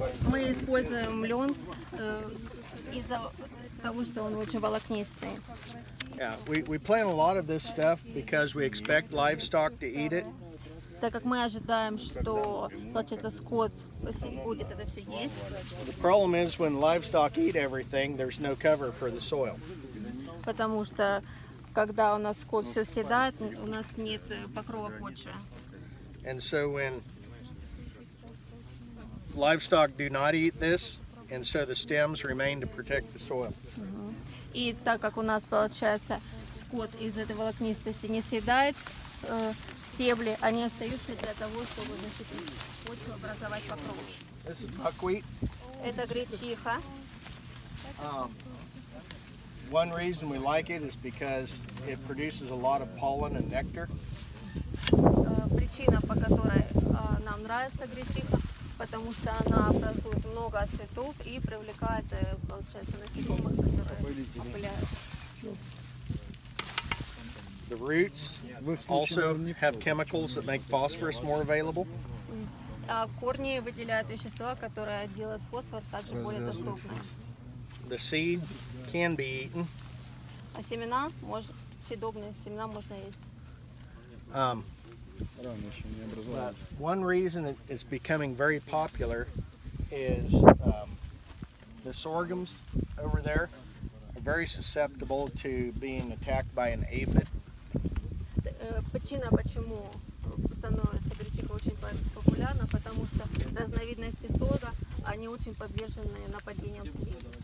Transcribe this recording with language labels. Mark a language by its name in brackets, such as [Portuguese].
[Russian] Мы используем лен из-за того, что он очень волокнистый. [English] Yeah, we plant a lot of this stuff because we expect livestock to eat it. [Russian] Так как мы ожидаем, что получается скот будет это все есть. [English] The problem is when livestock eat everything, there's no cover for the soil. [Russian] Потому что когда у нас скот все съедает, у нас нет покрова почвы. [English] And so when livestock do not eat this, and so the stems remain to protect the soil. [Russian] И так как у нас получается скот из этой волокнистости не съедает стебли, они остаются для того, чтобы почву образовать покров. [English] This is buckwheat. [Russian] Это гречиха. [English] One reason we like it is because it produces a lot of pollen and nectar. [Russian] Причина, по которой нам нравится гречиха, потому что она образует много цветов и привлекает, получается, насекомых, которые опыляют. [English] The roots also have chemicals that make phosphorus more available. [Russian] Корни выделяют вещества, которые делают фосфор также более доступным. [English] The seed can be eaten. [Russian] А семена съедобные, семена можно есть. [English] One reason it's becoming very popular is the sorghums over there are very susceptible to being attacked by an aphid. [Russian] Причина, почему становится гречиха очень популярна, потому что разновидности сорга, они очень подвержены нападениям пчел.